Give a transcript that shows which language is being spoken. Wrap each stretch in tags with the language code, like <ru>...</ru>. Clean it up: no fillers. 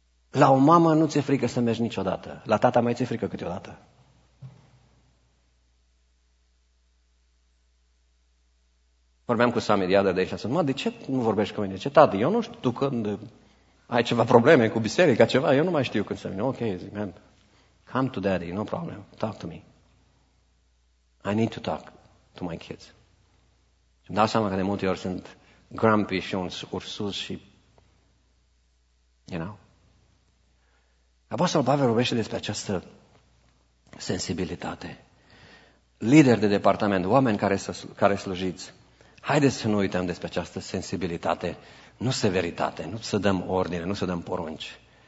<ro>La o mamă nu ți-e frică să mergi niciodată. La tata mai ți-e frică câteodată. Vorbeam cu Sami de aici și a spus, mă, de ce nu vorbești cu mine? Ce, tati, eu nu știu, tu când ai ceva probleme cu biserica, ceva, eu nu mai știu când să vină.</ro> <en>Ok,</en> <ro>zic,</ro> <en>man, come to daddy, no problem, talk to me. I need to talk to my kids.</en> <ro>Și îmi dau seama că de multe ori sunt grumpy și un ursus și,</ro> <en>you know.</en> <ro>Apostolul Pavel vorbește despre această sensibilitate. Lideri de departament, oameni care slujiți, haideți să nu uităm despre această sensibilitate, nu severitate, nu să dăm ordine, nu să dăm porunci.</ro>